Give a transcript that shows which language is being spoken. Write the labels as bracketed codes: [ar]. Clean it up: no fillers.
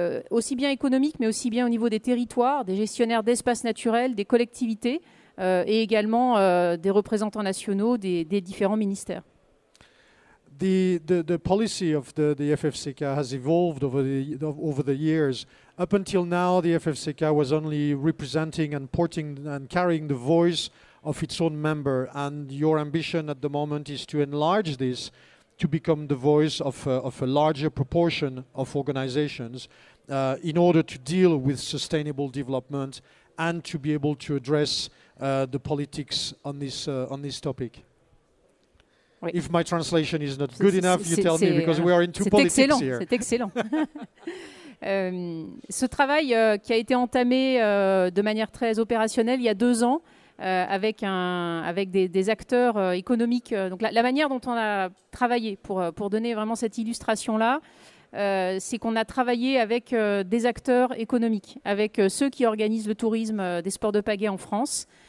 [fr] aussi bien économiques, mais aussi bien au niveau des territoires, des gestionnaires d'espaces naturels, des collectivités, et également des représentants nationaux des différents ministères. [en] The policy of the FFCK has evolved over the years. Up until now, the FFCK was only representing and porting and carrying the voice of its own member. And your ambition at the moment is to enlarge this to become the voice of a larger proportion of organizations in order to deal with sustainable development and to be able to address the politics on this topic. Oui. If my translation is not good enough, you tell me, because we are into politics excellent, here. [fr] C'est excellent. ce travail qui a été entamé de manière très opérationnelle il y a 2 ans avec des acteurs économiques. Donc la manière dont on a travaillé pour donner vraiment cette illustration-là, c'est qu'on a travaillé avec des acteurs économiques, avec ceux qui organisent le tourisme des sports de pagaie en France.